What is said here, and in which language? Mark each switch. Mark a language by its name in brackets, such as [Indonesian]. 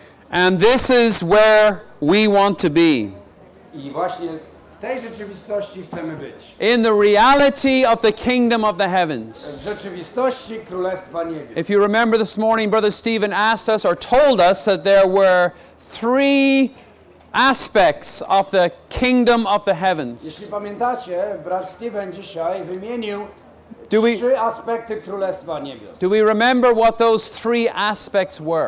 [English] And this is where we want to be. [Polish] I właśnie w tej rzeczywistości chcemy być. [English] In the reality of the kingdom of the heavens. [Polish] W rzeczywistości Królestwa Niebios. [English] If you remember this morning, Brother Stephen asked us or told us that there were three aspects of the kingdom of the heavens. [Polish] Jeśli pamiętacie, brat Steven dzisiaj wymienił trzy aspekty Królestwa Niebios. [English] Do we remember what those three aspects were?